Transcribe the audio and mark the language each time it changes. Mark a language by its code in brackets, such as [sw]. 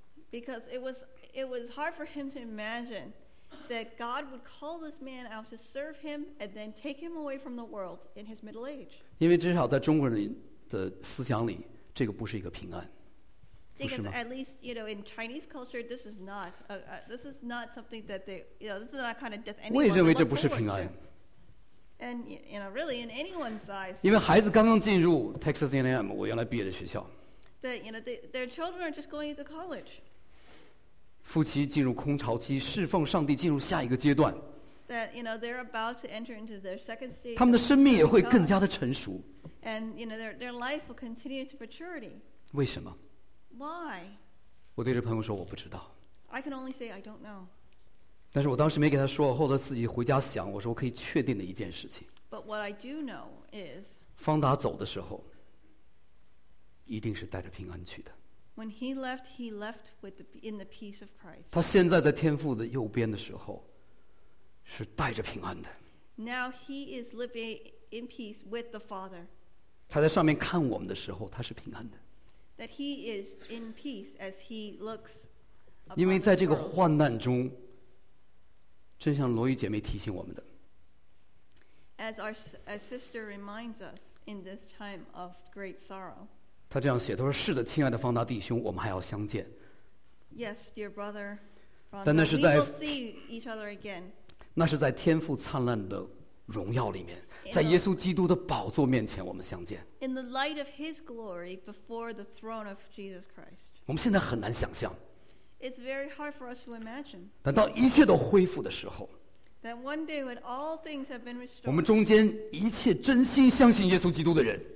[en] Because it was hard for him to imagine that God would call this man out to serve him and then take him away from the world in his middle age. [zh] 因为至少在中国人的思想里, 这个不是一个平安, [en] because at least, you know, in Chinese culture, this is not something that they, you know, this is not kind of death anyone. [zh] 我也认为这不是平安。 [en] And you know, really in anyone's eyes. [zh] 因为孩子刚刚进入 Texas A&M, 我原来毕业的学校。 [en] That you know, their children are just going to college. [zh] 夫妻进入空巢期, 侍奉上帝进入下一个阶段, [en] that you know, they're about to enter into their second stage. [zh] 他们的生命也会更加的成熟, [en] and you know, their life will continue to maturity. [zh] 为什么? [en] Why? [zh] 我对这朋友说, 我不知道。 [en] I can only say I don't know. [zh] 但是我当时没给他说, 后来自己回家想, 我说我可以确定的一件事情, [en] but what I do know is, [zh] 方达走的时候, 一定是带着平安去的。 [en] When he left with the, in the peace of Christ. [zh] 他现在在天父的右边的时候, 是带着平安的。 [en] Now he is living in peace with the Father. [zh] 他在上面看我们的时候, 他是平安的。 [en] That he is in peace as he looks. [zh] 因为在这个患难中, 正像罗伊姐妹提醒我们的, [en] as our sister reminds us in this time of great sorrow. [zh] 他这样写, 他说, 是的, 亲爱的方达弟兄, 我们还要相见。 [en] Yes, dear brother. [zh] 但那是在, [en] we will see each other again. [zh] 那是在天父灿烂的荣耀里面, 在耶稣基督的宝座面前, 我们相见。 [en] In the light of his glory before the throne of Jesus Christ. [zh] 我们现在很难想象。 [en] It's very hard for us to imagine. [zh] 但到一切都恢复的时候, [en] that one day when all things have been restored, [zh] 我们中间一切真心相信耶稣基督的人,